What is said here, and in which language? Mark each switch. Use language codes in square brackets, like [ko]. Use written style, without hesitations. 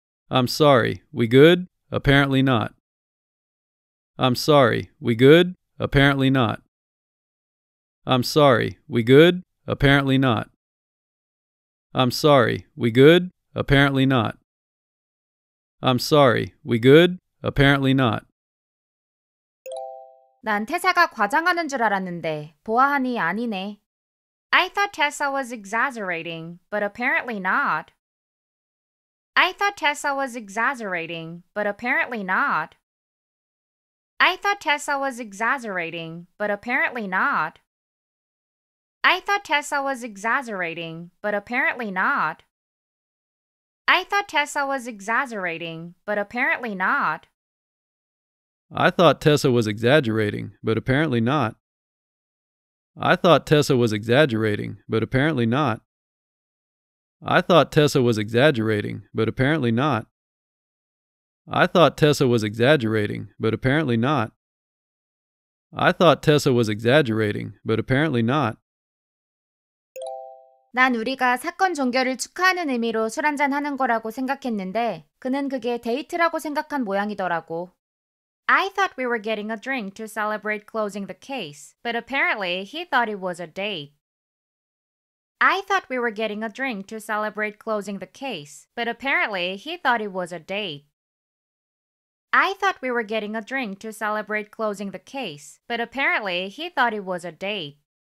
[en] I'm sorry. We good? Apparently not. I'm sorry. We good? Apparently not. I'm sorry. We good? Apparently not. I'm sorry. We good? Apparently not. I'm sorry. We good? Apparently not. [ko] 난 태사가 과장하는 줄 알았는데 보아하니 아니네. [en] I thought Tessa was exaggerating, but apparently not. I thought Tessa was exaggerating, but apparently not. I thought Tessa was exaggerating, but apparently not. I thought Tessa was exaggerating, but apparently not. I thought Tessa was exaggerating, but apparently not. I thought Tessa was exaggerating, but apparently not. I thought Tessa was exaggerating, but apparently not. I thought Tessa was exaggerating, but apparently not. I thought Tessa was exaggerating, but apparently not. I thought Tessa was exaggerating, but apparently not. [ko] 난 우리가 사건 종결을 축하하는 의미로 술 한잔 하는 거라고 생각했는데 그는 그게 데이트라고 생각한 모양이더라고. [en] I thought we were getting a drink to celebrate closing the case, but apparently he thought it was a date. I thought we were getting a drink to celebrate closing the case, but apparently he thought it was a date. I thought we were getting a drink to celebrate closing the case, but apparently he thought it was a date.